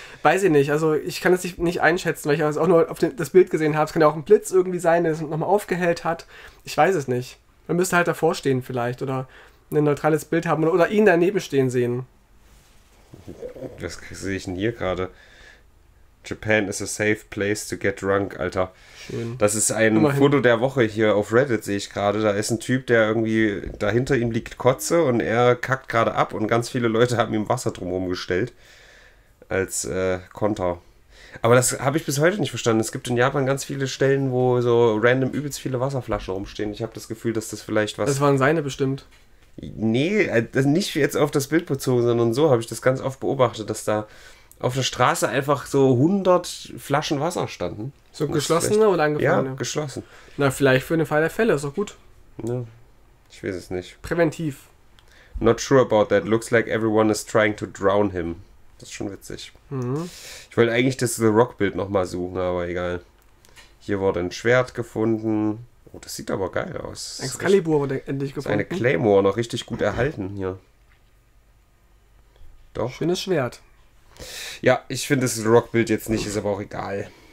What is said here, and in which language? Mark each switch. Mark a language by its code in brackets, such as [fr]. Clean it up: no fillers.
[de] Weiß ich nicht, also ich kann es nicht einschätzen, weil ich auch nur auf das Bild gesehen habe. Es kann ja auch ein Blitz irgendwie sein, der es nochmal aufgehellt hat. Ich weiß es nicht. Man müsste halt davor stehen vielleicht oder ein neutrales Bild haben oder ihn daneben stehen sehen. Das sehe ich denn hier gerade. [en] Japan is a safe place to get drunk, Alter. [de] Schön. Das ist ein immerhin. Foto der Woche hier auf Reddit, sehe ich gerade. Da ist ein Typ, der irgendwie, dahinter ihm liegt Kotze und er kackt gerade ab und ganz viele Leute haben ihm Wasser drumherum gestellt. Als Konter. Aber das habe ich bis heute nicht verstanden. Es gibt in Japan ganz viele Stellen, wo so random übelst viele Wasserflaschen rumstehen. Ich habe das Gefühl, dass das vielleicht was. Das waren seine bestimmt. Nee, nicht jetzt auf das Bild bezogen, sondern so habe ich das ganz oft beobachtet, dass da auf der Straße einfach so 100 Flaschen Wasser standen. So geschlossene oder angefangene? Ja, geschlossen. Na, vielleicht für den Fall der Fälle, ist doch gut. Ne, ich weiß es nicht. Präventiv. [en] Not sure about that. Looks like everyone is trying to drown him. [de] Das ist schon witzig. Ich wollte eigentlich das The Rock-Bild nochmal suchen, aber egal. Hier wurde ein Schwert gefunden. Oh, das sieht aber geil aus. Excalibur wurde endlich gefunden. Eine Claymore noch richtig gut erhalten hier. Doch. Schönes Schwert. Ja, ich finde das Rockbild jetzt nicht, ist aber auch egal.